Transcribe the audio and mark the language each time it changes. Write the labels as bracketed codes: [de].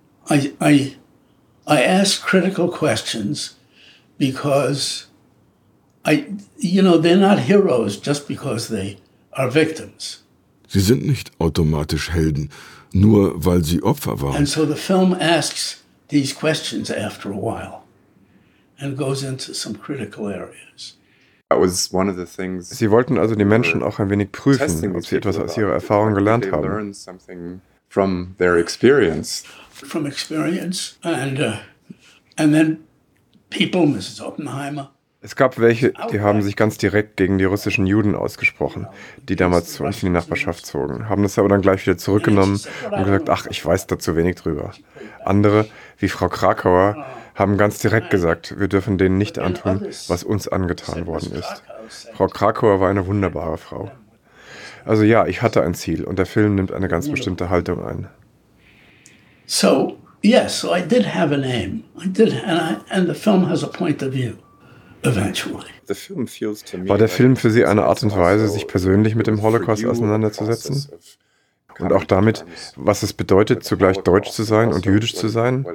[en] I asked critical questions because they're not heroes just because they are victims. [de] Sie sind nicht automatisch Helden, nur weil sie Opfer waren. [en] And so the film asks these questions after a while. And goes into some critical areas. That was one of the things. [de] Sie wollten also die Menschen auch ein wenig prüfen, ob sie etwas aus ihrer Erfahrung gelernt haben. [en] Learn something from their experience. From experience and then people, Mrs. Oppenheimer. [de] Es gab welche, die haben sich ganz direkt gegen die russischen Juden ausgesprochen, die damals zu uns in die Nachbarschaft zogen, haben das aber dann gleich wieder zurückgenommen und gesagt, ach, ich weiß da zu wenig drüber. Andere, wie Frau Krakauer, haben ganz direkt gesagt, wir dürfen denen nicht antun, was uns angetan worden ist. Frau Krakauer war eine wunderbare Frau. Also ja, ich hatte ein Ziel und der Film nimmt eine ganz bestimmte Haltung ein. [en] So, yes, so I did have an aim. I did, and the film has a point of view. [de] War der Film für Sie eine Art und Weise, sich persönlich mit dem Holocaust auseinanderzusetzen? Und auch damit, was es bedeutet, zugleich deutsch zu sein und jüdisch zu sein?